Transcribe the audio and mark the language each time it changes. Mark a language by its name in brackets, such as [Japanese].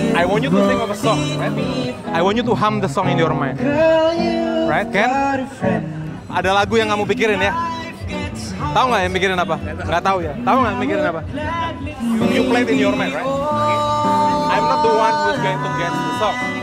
[English] I want you to sing of a song, right? I want you to hum the song in your mind. Right, Ken? [Indonesian] Ada lagu yang kamu pikirin ya? Tahu enggak yang mikirin apa? Enggak tahu ya. Tahu enggak mikirin apa? [English] You play it in your mind, right? Okay. I'm not the one who's going to get the song.